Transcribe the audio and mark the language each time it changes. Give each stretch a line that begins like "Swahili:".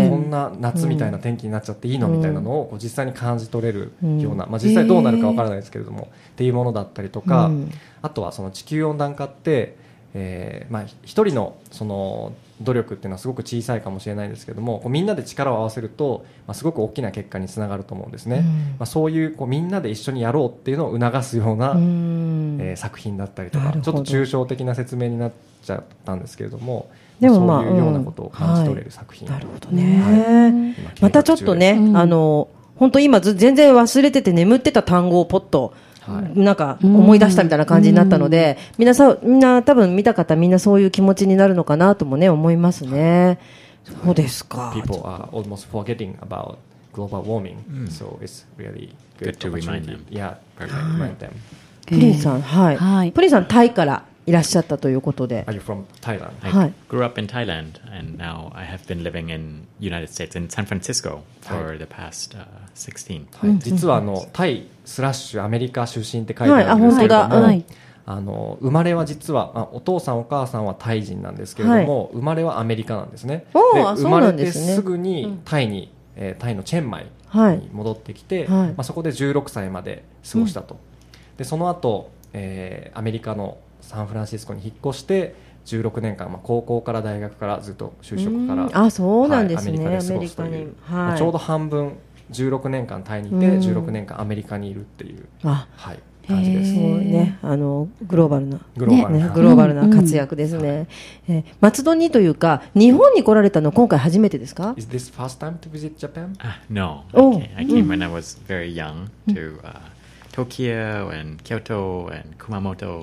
Japanese: はい、こんな夏みたいな天気になっちゃっていいの、うん、みたいなのをこう実際に感じ取れるような、まあ、実際どうなるか分からないですけれども、っていうものだったりとか、うん、あとはその地球温暖化って、まあ、1人のその努力っていうのはすごく小さいかもしれないですけども、こうみんなで力を合わせると、まあ、すごく大きな結果につながると思うんですね、うんまあ、そういう、こうみんなで一緒にやろうっていうのを促すような、うん作品だったりとか、ちょっと抽象的な説明になっちゃったんですけれども、でもまあ、そういうようなことを感じ取れる作品、うんはい、なるほどね、はい、またちょっとね、うん、あの本当今全然忘れてて眠ってた単語をポッとはい、なんか思い出したみたいな感じになったので、皆さん、みんな多分見た方みんなそういう気持ちになるのかなともね思いますね。はい、そうですか。
English: People are almost forgetting about global warming,、mm. so it's really good to remind them. Yeah, remind them.
Japanese: プリンさん、はい、はい。プリンさん、タイからいらっしゃったということで。
English: Are you from Thailand? I grew up in Thailand, and now I have been living in United States in San Francisco for the past 16.
Japanese: 実はあのタイスラッシュアメリカ出身って書いてあるんですけども、はい、あ、本当だ。はい、あの生まれは実は、まあ、お父さんお母さんはタイ人なんですけれども、はい、生まれはアメリカなんですね。おー、そうなんですね。生まれてすぐにタイに、うん、タイのチェンマイに戻ってきて、はい、まあ、そこで16歳まで過ごしたと、うん、でその後、アメリカのサンフランシスコに引っ越して16年間、まあ、高校から大学からずっと就職から、あ、そうなんですね、はい、アメリカで過ごすという、はい、まあ、ちょうど半分16年間タイにいて、うん、16年間アメリカにいるっていう、あ、はい、感じです。もうね、あのグローバルな、グローバルな、ね、グローバルな活躍ですね、うんうん、松戸にというか日本に来られたの今回初めてですか？
English: Is this first time to visit Japan? No. I came when I was very young to、Tokyo and Kyoto and Kumamoto.